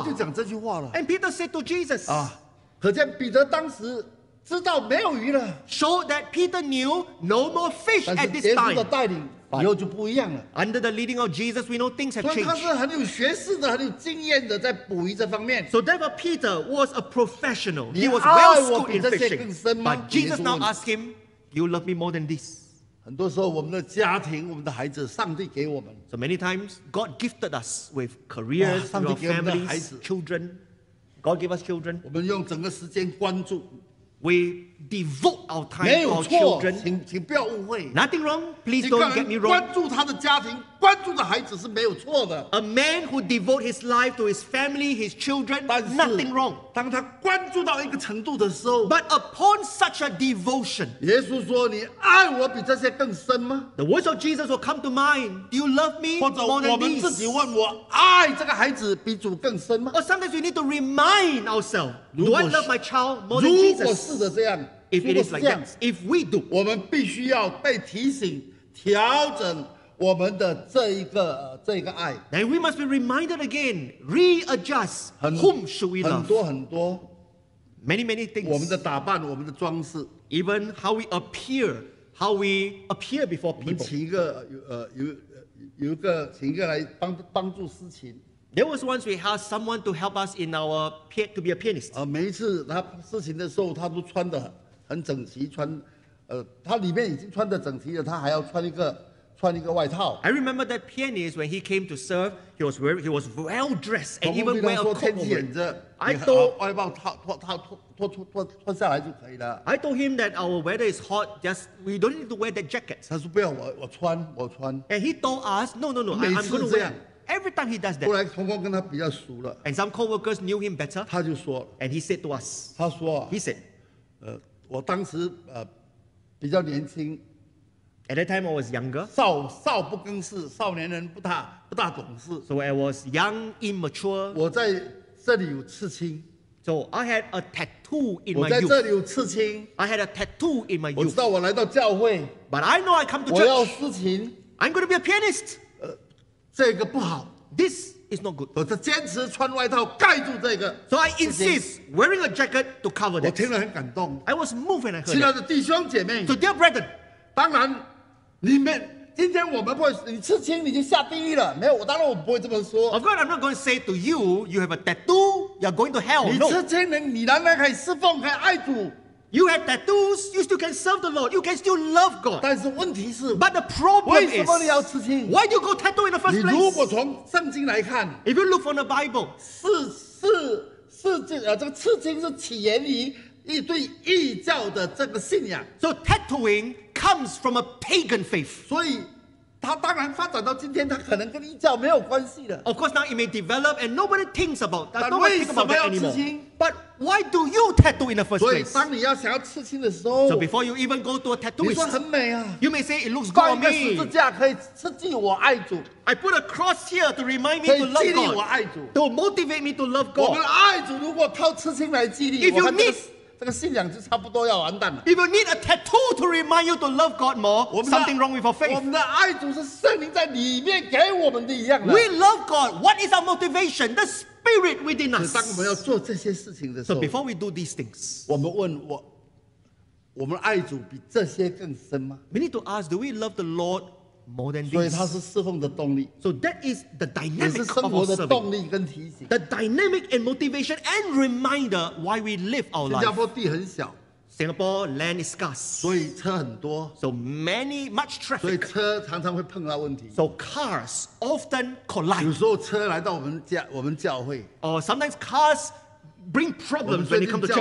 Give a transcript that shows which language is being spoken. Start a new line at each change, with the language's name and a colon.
Chinese: 彼得就讲这句话了。
English: And Peter said to Jesus.
Chinese: 啊，可见彼得当时知道没有鱼了。
English: Showed that Peter knew no more fish at this time.
Chinese: 但是耶稣的带领以后就不一样了。
English: Under the leading of Jesus, we know things have changed.
Chinese: 所以他是很有学识的，很有经验的，在捕鱼这方面。
English: So therefore, Peter was a professional. He was well schooled in fishing.
Chinese: 你爱我比这些更深吗？
English: But Jesus now asked him, "You love me more than this?"
Chinese: 很多时候，我们的家庭、我们的孩子，上帝给我们。
English: So many times, God gifted us with careers, our families, children. God gave us children.
Chinese: 我们用整个时间关注。
English: We devote our time to our children.
Chinese: 请不要误会。
English: Nothing wrong. Please don't get me wrong.
Chinese: 关注他的家庭，关注的孩子是没有错的。
English: A man who devotes his life to his family, his children, nothing wrong.
Chinese: 当他关注到一个程度的时候
English: ，But upon such a devotion,
Chinese: 耶稣说：“你爱我比这些更深吗
English: ？”The words of Jesus will come to mind. Do you love me more than this?
Chinese: 或者我们自己问我：“爱这个孩子比主更深吗
English: ？”Or sometimes we need to remind ourselves, Do I love my child more than Jesus?
Chinese: 如果试着这样
English: ，If it is like that, if we do,
Chinese: 我们必须要被提醒、调整。我们的这一个爱
English: ，Then we must be reminded again, readjust whom should we love.
Chinese: 很多
English: many things.
Chinese: 我们的打扮，我们的装饰
English: ，even how we appear before people.
Chinese: 我们请一个有一个请一个来帮助司琴。
English: There was once we had someone to help us in to be a pianist.
Chinese: 每一次他司琴的时候，他都穿得很整齐，他里面已经穿得整齐了，他还要穿一个外套。
English: I remember that pianist when he came to serve, he was well dressed and even wear a coat.
Chinese: 天气很热，
English: I told
Chinese: 外套脱下来就可以了。
English: I told him that our weather is hot, just we don't need to wear that jacket.
Chinese: 他说不要，我穿。
English: And he told us, no, I'm going to wear. Every time he does that.
Chinese: 后来同工跟他比较熟了。
English: And some coworkers knew him better.
Chinese: 他就说。
English: And he said to us.
Chinese: 他说。
English: He said,
Chinese: 我当时比较年轻。
English: At that time, I was younger.
Chinese: 少不更事，少年人不大懂事。
English: So I was young, immature.
Chinese: 我在这里有刺青。
English: So I had a tattoo in my youth.
Chinese: 我在这里有刺青。
English: I had a tattoo in my youth.
Chinese: 我知道我来到教会。
English: But I know I come to church.
Chinese: 我要司琴。
English: I'm going to be a pianist.
Chinese: 这个不好。
English: This is not good.
Chinese: 我在坚持穿外套盖住这个。
English: So I insist wearing a jacket to cover that.
Chinese: 我听了很感动。
English: I was moved when I heard.
Chinese: 亲爱的弟兄姐妹。
English: So dear brethren.
Chinese: 当然，你们今天我们不会，你刺青你就下地狱了。没有，当然我不会这么说。
English: Of course, I'm not going to say to you, you have a tattoo, you're going to hell.
Chinese: 你刺青能，你仍然可以侍奉，可以爱主。
English: You have tattoos, you still can serve the Lord, you can still love God.
Chinese: 但是问题是
English: ，But the problem is,
Chinese: 为什么你要刺青
English: ？Why do you go tattoo in the first place?
Chinese: 你如果从圣经来看
English: ，If you look from the Bible,
Chinese: 这个刺青是起源于一对异教的这个信仰。
English: So tattooing. Comes from a pagan faith.
Chinese: 所以，它当然发展到今天，它可能跟异教没有关系的。
English: Of course, now it may develop, and nobody thinks about that. But why do you want to tattoo? But why do you tattoo in the first place?
Chinese: 所以，当你要想要刺青的时候
English: ，So before you even go to a tattooist,
Chinese: 你说很美啊。
English: You may say it looks good on me.
Chinese: 挂一个十字架可以刺激我爱主。
English: I put a cross here to remind me to love God.
Chinese: 可以激励我爱主。
English: To motivate me to love God.
Chinese: 我们爱主如果靠刺青来激励，我看这个信仰就差不多要完蛋了。
English: If you need a tattoo to remind you to love God more, something wrong with our faith.
Chinese: 我们的爱主是圣灵在里面给我们的一样的。
English: We love God. What is our motivation? The spirit within us.
Chinese: 当我们要做这些事情的时候
English: ，So before we do these things,
Chinese: 我们问我们爱主比这些更深吗
English: ？We need to ask, do we love the Lord more than this?
Chinese: 所以它是侍奉的动力。
English: So that is the dynamic of our
Chinese: serving. 也是生活的动力跟提醒。
English: The dynamic and motivation and reminder why we live our life.
Chinese: 新加坡地很小。
English: Singapore land is scarce.
Chinese: 所以车很多。
English: So many much traffic.
Chinese: 所以车常常会碰到问题。
English: So cars often collide.
Chinese: 有时候车来到我们教会。
English: Or sometimes cars bring problems when they come to church.